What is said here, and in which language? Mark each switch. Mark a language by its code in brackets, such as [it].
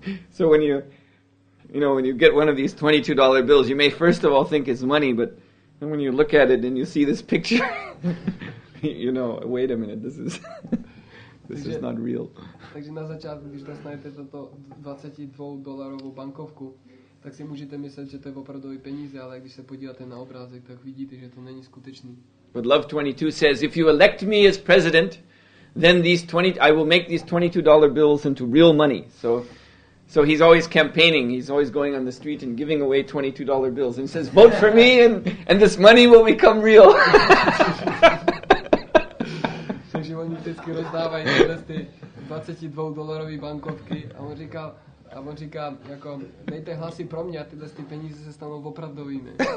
[en] So when you get one of these $22 bills, you may first of all think it's money, but then when you look at it and you see this picture, you know, wait a minute, this is not real. [cs] Takže na začátku, když dostanete toto 22-dolarovou bankovku, tak si můžete myslet, že to je opravdu i peníze, ale když se podíváte na obrázek, tak vidíte, že to není skutečný. [en] But Love 22 says, if you elect me as president, then I will make these $22 bills into real money. So he's always campaigning, he's always going on the street and giving away $22 bills. And he says, vote for me and this money will become real. [cs] Takže oni vždycky rozdávají tyhle ty 22-dolarové bankovky a on říká, jako, dejte hlasy pro mě a tyhle ty peníze se stanou opravdovými.